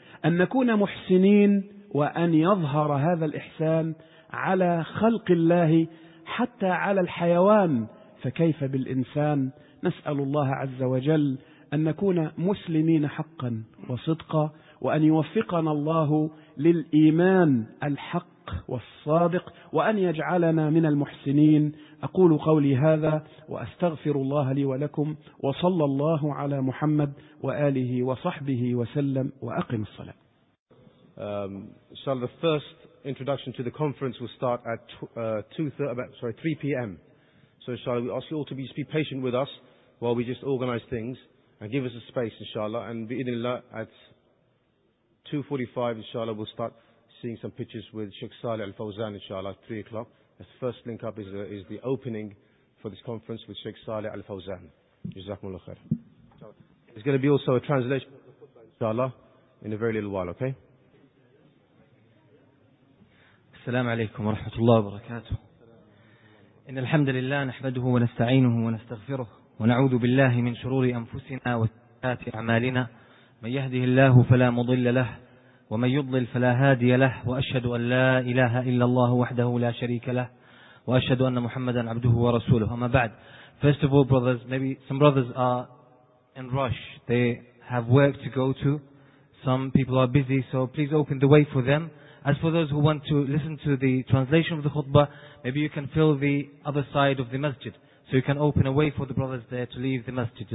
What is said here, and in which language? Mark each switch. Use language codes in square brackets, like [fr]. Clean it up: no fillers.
[ar] أن نكون محسنين وأن يظهر هذا الإحسان على خلق الله حتى على الحيوان، فكيف بالإنسان؟ نسأل الله عز وجل أن نكون مسلمين حقا وصدقا، وأن يوفقنا الله للإيمان الحق والصادق، وأن يجعلنا من المحسنين. أقول قولي هذا وأستغفر الله لي ولكم، وصلى الله على محمد وآله وصحبه وسلم، وأقم الصلاة. [en] Inshallah, the first introduction to the conference will start at 3 p.m. So inshallah, we ask you all to just be patient with us while we just organize things, and give us a space inshallah, and bi'idhnillah at 2:45 inshallah we'll start seeing some pictures with Sheikh Saleh Al-Fawzan inshallah at 3 o'clock. The first link up is the opening for this conference with Sheikh Saleh Al-Fawzan. Jazakumullah khair. There's going to be also a translation inshallah in a very little while, okay? [ar] السلام عليكم ورحمة الله وبركاته. إن الحمد لله نحمده ونستعينه ونستغفره ونعوذ بالله من شرور أنفسنا وسيئات أعمالنا، من يهده الله فلا مضل له، ومن يضلل فلا هادي له، وأشهد أن لا إله إلا الله وحده لا شريك له، وأشهد أن محمدا عبده ورسوله. أما بعد، [en] first of all brothers, maybe some brothers are in rush, they have work to go to, some people are busy, so please open the way for them. As for those who want to listen to the translation of the khutbah, maybe you can fill the other side of the masjid, so you can open a way for the brothers there to leave the masjid.